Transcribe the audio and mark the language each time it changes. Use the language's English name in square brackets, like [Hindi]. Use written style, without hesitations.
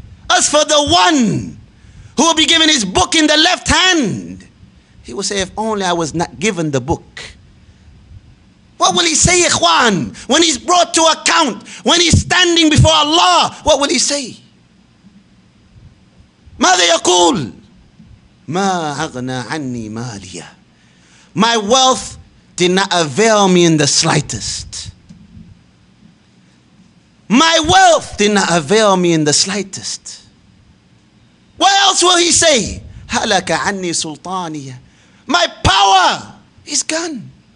[English] As for the one who will be given his book in the left hand, he will say, if only I was not given the book. What will he say, ikhwan, when he's brought to account, when he's standing before Allah? What will he say? [Arabic] ماذا يقول؟ ما أغنى عني ماليا. [English] My wealth did not avail me in the slightest. My wealth did not avail me in the slightest. What else will he say? [Arabic] Halaka anni sultaniya. [English] My power is gone.